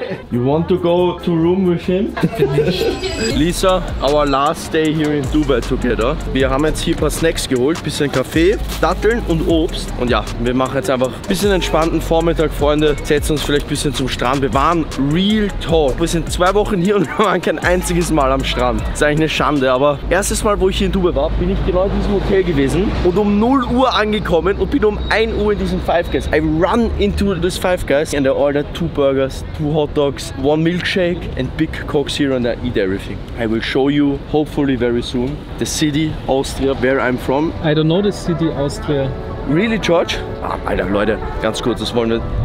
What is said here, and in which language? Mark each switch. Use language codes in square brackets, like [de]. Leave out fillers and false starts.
[en] You want to go to room with him? Lisa, our last day here in Dubai together. [de] Wir haben jetzt hier ein paar Snacks geholt, bisschen Kaffee, Datteln und Obst. Und ja, wir machen jetzt einfach ein bisschen entspannten Vormittag, Freunde. Setzen uns vielleicht ein bisschen zum Strand. Wir waren [en] real talk. [de] Wir sind 2 Wochen hier und wir waren kein einziges Mal am Strand. Ist eigentlich eine Schande, aber erstes Mal, wo ich hier in Dubai war, bin ich genau in diesem Hotel gewesen und um 0 Uhr angekommen und bin um 1 Uhr in diesem Five Guys. [en] I run into this Five Guys and I ordered 2 burgers, 2 hot dogs. 1 milkshake and big cocks here and I eat everything. I will show you hopefully very soon the city Austria where I'm from. I don't know the city Austria. Really, George? [de] Ah, Alter, Leute, ganz kurz, das wollen wir.